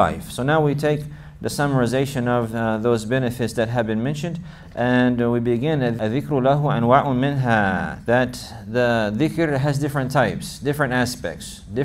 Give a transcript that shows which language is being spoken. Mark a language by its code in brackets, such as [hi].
[en] So now we take the summarization of those benefits that have been mentioned. And we begin, [ar] أَذِكْرُ لَهُ أَنْوَاعٌ مِّنْهَا. [en] That the dhikr has different types, different aspects.